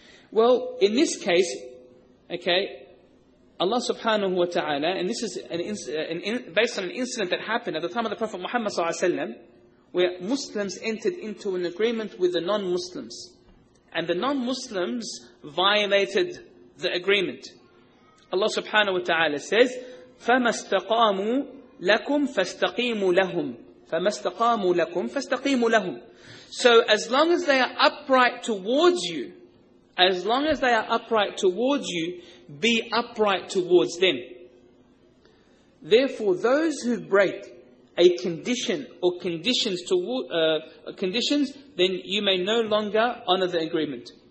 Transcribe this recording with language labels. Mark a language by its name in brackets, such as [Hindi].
[English] Well, in this case, okay, Allah subhanahu wa ta'ala, and this is based on an incident that happened at the time of the Prophet Muhammad sallallahu alaihi wasallam, where Muslims entered into an agreement with the non-Muslims. And the non-Muslims violated the agreement. Allah subhanahu wa ta'ala says, [Arabic] فَمَسْتَقَامُوا لَكُمْ فَاسْتَقِيمُوا لَهُمْ فَمَسْتَقَامُوا لَكُمْ فَاسْتَقِيمُوا لَهُمْ. [English] So as long as they are upright towards you, as long as they are upright towards you, be upright towards them. Therefore, those who break a condition or conditions conditions, then you may no longer honor the agreement.